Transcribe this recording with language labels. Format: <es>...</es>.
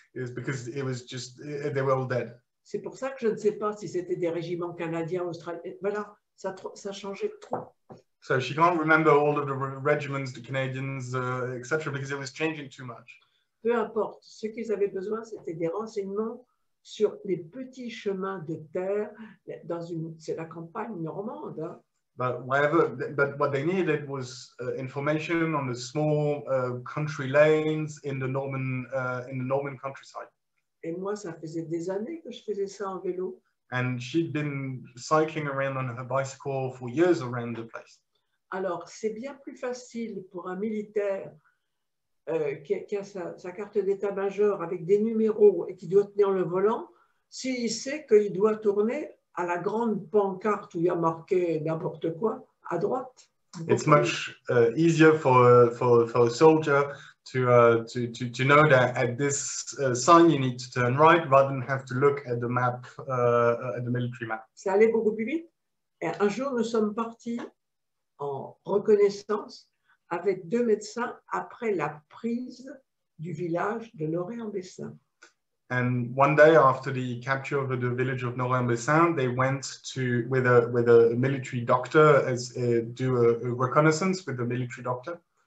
<en>It was because it was just they were all dead.</en> <fr>C'est pour ça que je ne sais pas si c'était des régiments canadiens, australiens. Voilà, ça changeait trop.</fr> <en>So she can't remember all of the regiments, the Canadians, etc., because it was changing too much.</en> <fr>Peu importe, ce qu'ils avaient besoin, c'était des renseignements sur les petits chemins de terre dans une, c'est la campagne normande. Hein.</fr> <en>But what they needed was information on the small country lanes in the Norman countryside.</en> <fr>Et moi, ça faisait des années que je faisais ça en vélo.</fr> <en>And she'd been cycling around on her bicycle for years around the place.</en> <fr>Alors, c'est bien plus facile pour un militaire. Qui a sa carte d'état-major avec des numéros et qui doit tenir le volant, s'il sait qu'il doit tourner à la grande pancarte où il y a marqué n'importe quoi à droite.</fr> <en>It's much easier for a soldier to know that at this sign you need to turn right rather than have to look at the map at the military map.</en> <fr>Ça allait beaucoup plus vite. Et un jour nous sommes partis en reconnaissance avec deux médecins après la prise du village de Noray-en-Bessin.</fr> <en>And one day after the capture of the village of Noray-en-Bessin, they went to with a military doctor as do a reconnaissance with the military doctor.</en>